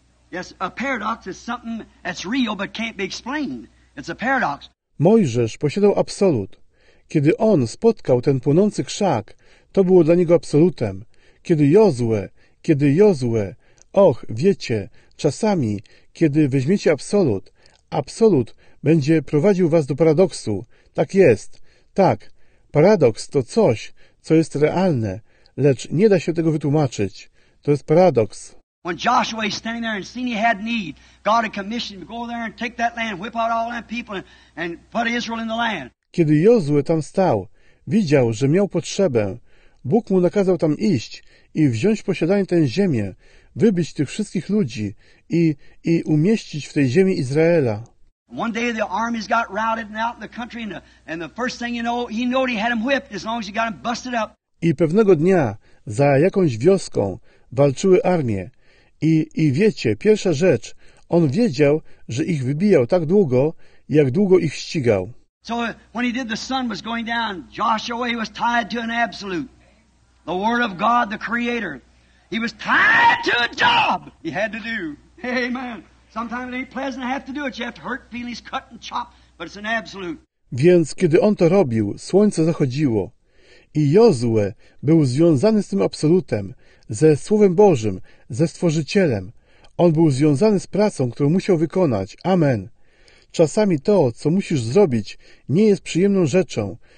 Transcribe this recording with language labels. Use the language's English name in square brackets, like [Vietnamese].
[English] Yes, a paradox is something that's real but can't be explained. It's a paradox. [Polish] Mojżesz posiadał absolut. Kiedy on spotkał ten płonący krzak, to było dla niego absolutem. Kiedy Jozue, och, wiecie, czasami, kiedy weźmiecie absolut, absolut będzie prowadził was do paradoksu. Tak jest. Tak, paradoks to coś, co jest realne, lecz nie da się tego wytłumaczyć. To jest paradoks. [English] When Joshua was standing there and seen he had need, God had commissioned him to go there and take that land, whip out all that people and put Israel in the land. [Polish] Kiedy Jozue tam stał, widział, że miał potrzebę, Bóg mu nakazał tam iść i wziąć posiadanie tę ziemię, wybić tych wszystkich ludzi i umieścić w tej ziemi Izraela. [English] One day the armies got routed out in the country and the first thing you know, he knew he had them whipped as long as he got them busted up. [Polish] I pewnego dnia za jakąś wioską walczyły armie i wiecie, pierwsza rzecz, on wiedział, że ich wybijał tak długo, jak długo ich ścigał. [English] So when he did, the sun was going down, Joshua, he was tied to an absolute. The word of God, the creator. He was tied to a job he had to do. Amen. Sometimes it ain't pleasant to have to do it. You have to hurt feelings, cut and chop, but it's an absolute. [Polish] Więc kiedy on to robił, słońce zachodziło. I Jozue był związany z tym absolutem, ze Słowem Bożym, ze Stworzycielem. On był związany z pracą, którą musiał wykonać. Amen. Czasami to, co musisz zrobić, nie jest przyjemną rzeczą.